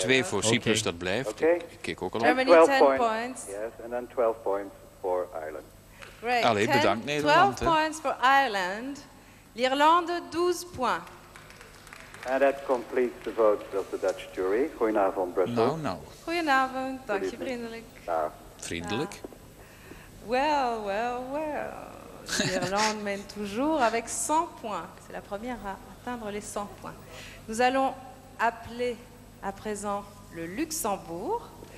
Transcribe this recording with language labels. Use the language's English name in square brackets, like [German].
[Dutch] 2 voor Cyprus, okay. Dat blijft. Okay. Ik kijk ook al. [English] Germany 10 points. Yes, and then 12 points for Ireland. Great. [Dutch] Allee, bedankt Nederland. [English] 12 points for Ireland. [French] L'Irlande, 12 points. [English] And that completes the votes of the Dutch jury. [Dutch] Goedenavond, Brussel. [English] No. [Dutch] Goedenavond, dank je vriendelijk. Vriendelijk? [English] Well. [French] L'Irlande mène toujours avec 100 points. C'est la première à atteindre les 100 points. Nous allons appeler à présent le Luxembourg.